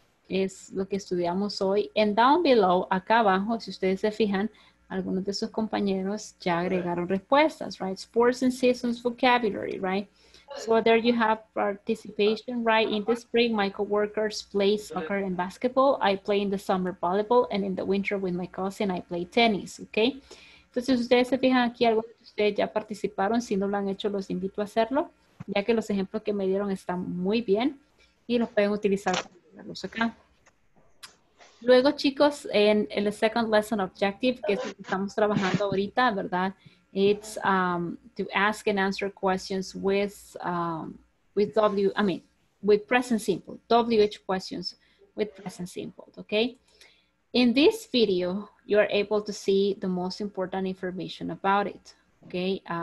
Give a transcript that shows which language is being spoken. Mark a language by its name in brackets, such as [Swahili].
[Spanish] Es lo que estudiamos hoy. And down below, acá abajo, si ustedes se fijan, algunos de sus compañeros ya agregaron respuestas, right? [English] Sports and seasons vocabulary, right? So there you have participation, right? In the spring, my coworkers play soccer and basketball. I play in the summer volleyball, and in the winter with my cousin, I play tennis, okay? [Spanish] Entonces, ustedes se fijan aquí, algunos de ustedes ya participaron. Si no lo han hecho, los invito a hacerlo, ya que los ejemplos que me dieron están muy bien y los pueden utilizar para ponerlos acá. Luego, chicos, en el second lesson objective, que es lo que estamos trabajando ahorita, ¿verdad? [English] It's to ask and answer questions with present simple, WH questions with present simple, okay? In this video, you are able to see the most important information about it, okay?